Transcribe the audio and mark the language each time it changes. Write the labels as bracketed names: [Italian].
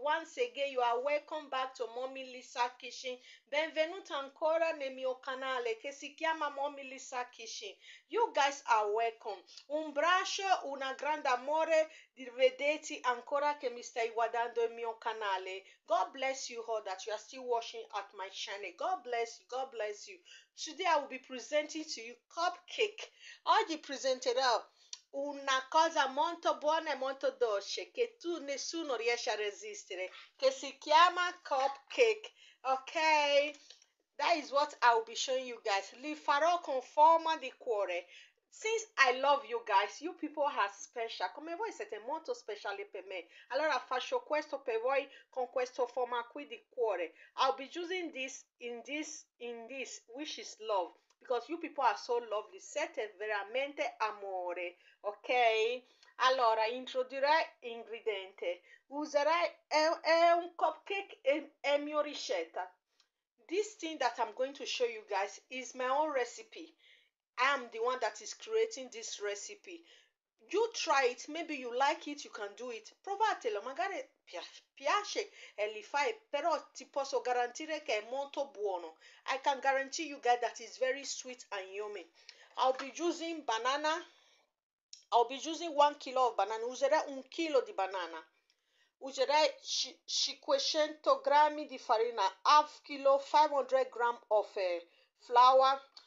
[English] Once again, you are welcome back to Mommy Lisa Kitchen. [Italian] Benvenuto ancora nel mio canale che si chiama Mommy Lisa Kitchen. [English] You guys are welcome. [Italian] Un bracio, un grande amore di vederti ancora che mi stai guardando il mio canale. [English] God bless you all that you are still watching at my channel. God bless you, God bless you. Today I will be presenting to you cupcake. [Italian] Oggi presenterò una cosa molto buona e molto dolce che tu nessuno riesce a resistere, che si chiama cupcake. Ok? [English] That is what I will be showing you guys. [Italian] Li farò con forma di cuore. [English] Since I love you guys, you people are special. [Italian] Come voi siete molto speciali per me. Allora faccio questo per voi con questa forma qui di cuore. [English] I'll be using this in this, which is love. Because you people are so lovely. [Italian] Siete veramente amore. [English] Ok? [Italian] Allora, introdurrei ingrediente. Userai è un cupcake, è mia ricetta. [English] This thing that I'm going to show you guys is my own recipe. I'm the one that is creating this recipe. You try it, maybe you like it, you can do it. [Italian] Provatelo, magari piace e li fai, però ti posso garantire che è molto buono. [English] I can guarantee you guys that it's very sweet and yummy. I'll be using banana. I'll be using 1 kg of banana. [Italian] Userei 1 kg di banana. Userei 500 grammi di farina, [English] half kilo, 500 gram of flour.